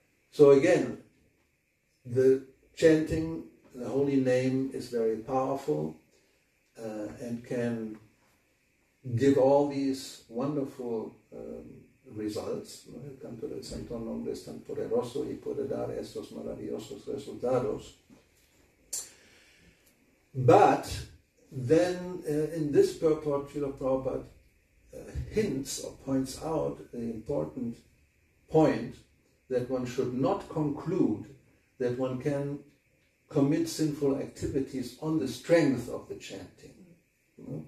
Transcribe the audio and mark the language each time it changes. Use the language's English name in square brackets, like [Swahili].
[English] So again, the chanting the holy name is very powerful and can give all these wonderful results, [Spanish] ¿no? El canto del santo nombre es tan poderoso y puede dar estos maravillosos resultados. [English] But then in this purport, Srila Prabhupada hints or points out the important point that one should not conclude that one can commit sinful activities on the strength of the chanting. You know?